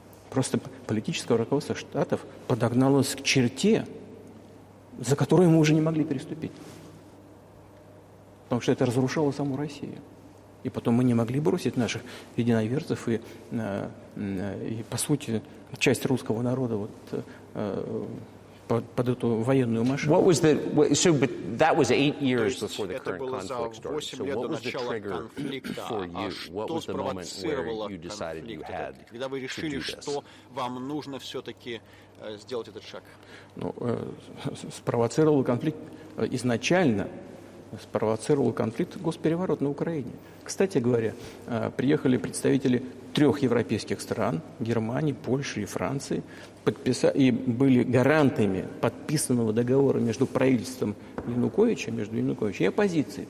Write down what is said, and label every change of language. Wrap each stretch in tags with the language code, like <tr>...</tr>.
<ru>Просто политическое руководство Штатов подогналось к черте, за которую мы уже не могли переступить. Потому что это разрушало саму Россию. И потом мы не могли бросить наших единоверцев и, по сути, часть русского народа вот, под эту военную машину.</ru> <en>What was the, so, but that was 8 years before the current conflict started. So what was the trigger for you? What was the moment where you decided you had to do this?</en> <ru>Что вам нужно все-таки сделать этот шаг? Ну, спровоцировал конфликт изначально. Спровоцировал конфликт госпереворот на Украине. Кстати говоря, приехали представители трех европейских стран, Германии, Польши и Франции, и были гарантами подписанного договора между правительством Януковича, между Януковичем и оппозицией.</ru>